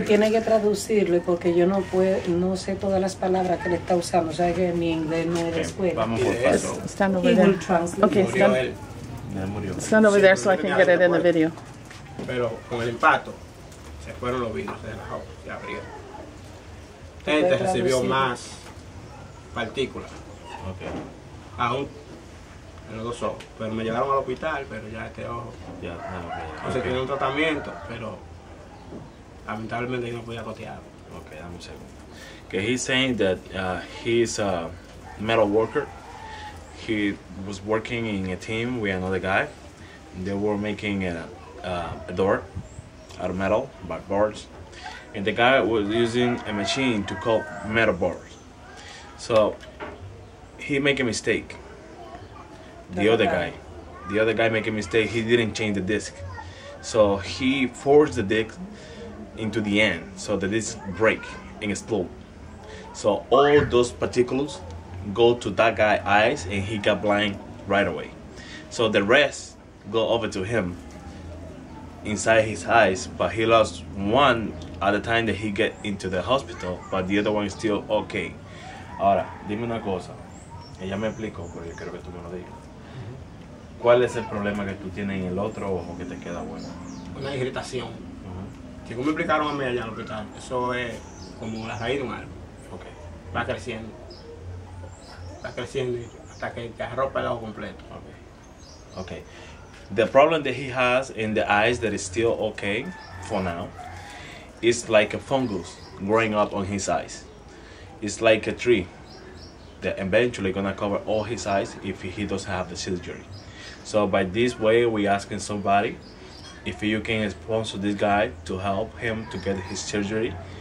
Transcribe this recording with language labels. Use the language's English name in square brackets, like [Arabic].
[Spanish] Y tiene que traducirlo porque yo no puedo, no sé todas las palabras que le está usando. O sea, que ni inglés ni de escuela. Vamos por eso. [English] Stand over there. Okay, stand. Stand over there so I can get it in the video. [Spanish] Pero con el impacto, se fueron los vinos, se relajó, se abrió. Este recibió más partículas. Okay. Aún en los dos ojos. Pero me llevaron al hospital, pero ya este ojo. Ya, no sé, tiene un tratamiento, pero lamentablemente no podía cotearlo. Okay, dame un segundo. [English] Que he's saying that he's a metal worker. He was working in a team with another guy. They were making a door out of metal by bars. And the guy was using a machine to cut metal bars. So he make a mistake. The other guy make a mistake. He didn't change the disc. So he forced the disc into the end. So the disc break and explode. So all those particles go to that guy's eyes and he got blind right away. So the rest go over to him inside his eyes, but he lost one at the time that he get into the hospital, but the other one is still okay. [Spanish] Ahora, dime una cosa. Ella me explicó, pero yo creo que tú me lo digas. Mm-hmm. ¿Cuál es el problema que tú tienes en el otro ojo que te queda bueno? Una irritación. Uh-huh. Según me explicaron a mí allá en el hospital, eso es como la raíz de un árbol. [English] Okay. [Spanish] Va creciendo. Va creciendo hasta que te arropa el ojo completo. [English] Okay. The problem that he has in the eyes that is still okay for now is like a fungus growing up on his eyes. It's like a tree that eventually gonna cover all his eyes if he doesn't have the surgery. So by this way, we asking somebody if you can sponsor this guy to help him to get his surgery.